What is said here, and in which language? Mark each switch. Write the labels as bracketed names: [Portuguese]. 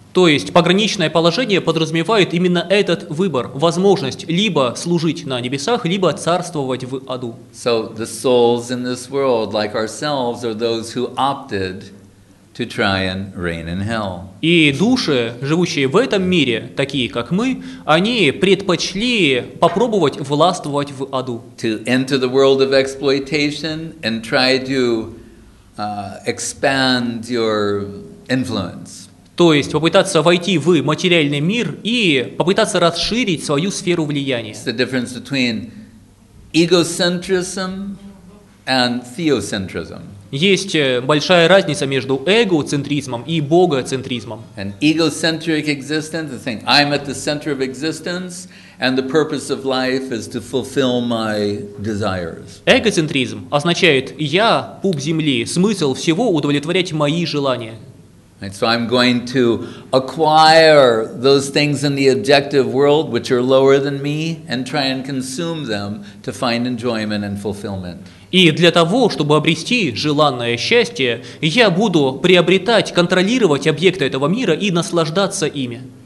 [Russian] То есть пограничное положение подразумевает именно этот выбор, возможность либо служить на небесах, либо царствовать в аду. [English] So the souls in this world, like ourselves, are those who opted to try and reign in hell. [Russian] И души, живущие в этом мире, такие как мы, они предпочли попробовать властвовать в аду. [English] To enter the world of exploitation and try to expand your influence. [Russian] То есть попытаться войти в материальный мир и попытаться расширить свою сферу влияния. [English] It's the difference between egocentrism and theocentrism. [Russian] Есть большая разница между эгоцентризмом и богоцентризмом. [English] An egocentric existence, the thing I'm at the center of existence and the purpose of life is to fulfill my desires. [Russian] Эгоцентризм означает я пуп земли, смысл всего удовлетворять мои желания. [English] And so I'm going to acquire those things in the objective world which are lower than me and try and consume them to find enjoyment and fulfillment. [Russian] И для того, чтобы обрести желанное счастье, я буду приобретать, контролировать объекты этого мира и наслаждаться ими.